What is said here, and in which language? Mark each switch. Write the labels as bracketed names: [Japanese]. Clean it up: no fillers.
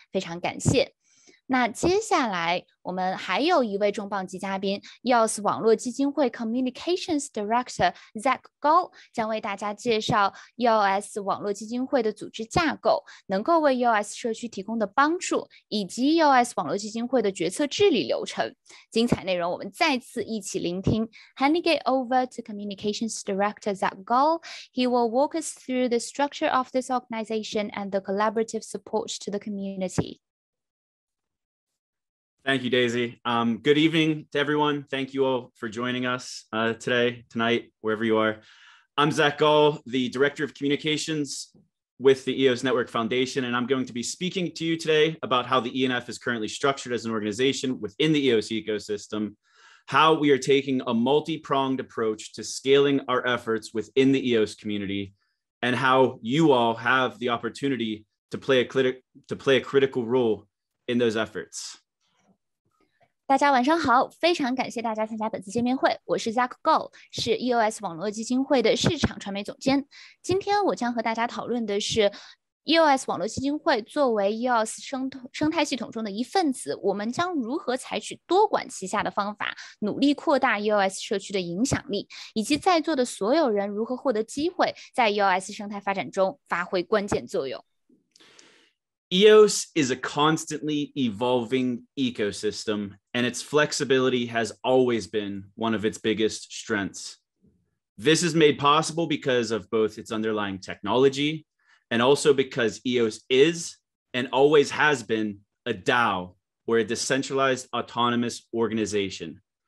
[Chinese] 非常感谢。那接下来我们还有一位重磅级嘉宾 ，EOS 网络基金会 [English] Communications Director [Chinese] Zach Gao 将为大家介绍 EOS 网络基金会的组织架构，能够为 EOS 社区提供的帮助，以及 EOS 网络基金会的决策治理流程。精彩内容，我们再次一起聆听。 [English] Handing it over to Communications Director Zach Gao, he will walk us through the structure of this organization and the collaborative support to the community. Thank you, Daisy. Good evening to everyone. Thank you all for joining us tonight, wherever you are. I'm Zach Gall, the Director of Communications with the EOS Network Foundation, and I'm going to be speaking to you today about how the ENF is currently structured as an organization within the EOS ecosystem, how we are taking a multi-pronged approach to scaling our efforts within the EOS community, and how you all have the opportunity to play a critical role in those efforts. [Chinese] 大家晚上好，非常感谢大家参加本次见面会。我是 Zach Gao， 是 EOS 网络基金会的市场传媒总监。今天我将和大家讨论的是 EOS 网络基金会作为 EOS 生态系统中的一份子，我们将如何采取多管齐下的方法，努力扩大 EOS 社区的影响力，以及在座的所有人如何获得机会，在 EOS 生态发展中发挥关键作用。 [English] EOS is a constantly evolving ecosystem, and its flexibility has always been one of its biggest strengths. This is made possible because of both its underlying technology and also because EOS is and always has been a DAO, or a decentralized autonomous organization.